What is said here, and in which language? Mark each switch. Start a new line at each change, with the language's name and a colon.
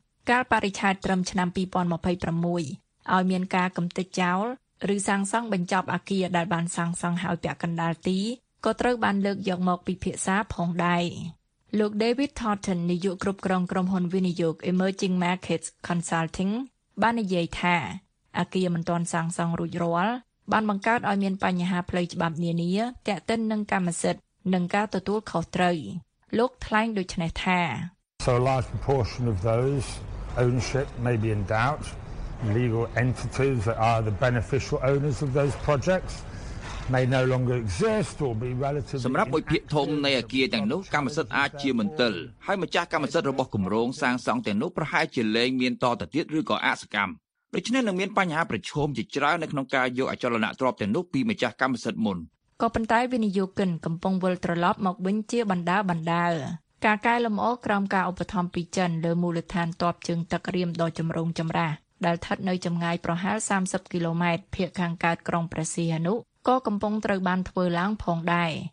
Khmer: កាលបរិច្ឆេទត្រឹមឆ្នាំ2026ឲ្យមានការកំទេចចោលឬសាងសង់បញ្ចប់អគារដែលបានសាងសង់ហើយពាក់កណ្ដាលទីក៏ត្រូវបានលើកយកមកពិភាក្សាផងដែរលោក David Thornton នាយកគ្រប់គ្រងក្រុមហ៊ុនវិនិយោគ Emerging Markets Consulting បាននិយាយថាអគារមិនទាន់សាងសង់រួចរាល់បានបង្កើតឲ្យមានបញ្ហាផ្លូវច្បាប់នានាទាក់ទិននឹងកម្មសិទ្ធិនិងការទទួលខុសត្រូវលោកថ្លែងដូចនេះថា
English: So a large proportion of thoseownership may be in doubt legal entities that are the beneficial owners of those projects may no longer exist or be relatively
Khmer: សម្រាប់មួយភាគធំនៃអគារទាំងនោះកម្មសិទ្ធិអាចជាមន្ទិលហើយម្ចាស់កម្មសិទ្ធិរបស់គម្រោងសាងសង់ទាំងនោះប្រហែលជាលែងមានតទៅទៀតឬក៏អសកម្មដូច្នេះនឹងមានបញ្ហាប្រឈមជាច្រើននៅក្នុងការយកអចលនៈទ្រព្យទាំងនោះពីម្ចាស់កម្មសិទ្ធិមុន ក៏ប៉ុន្តែវិនិយោគិនកំពុងវិលត្រឡប់មកវិញជាបណ្ដាបណ្ដាការកែលម្អក្រោមការឧបត្ថម្ភពីចិនលើមូលដ្ឋានតបជើងទឹករៀមដ៏ចម្រូងចម្រាសដែលស្ថិតនៅចម្ងាយប្រហែល30គីឡូម៉ែត្រភាគខាងកើតក្រុងព្រះសីហនុក៏កំពុងត្រូវបានធ្វើឡើងផងដែរ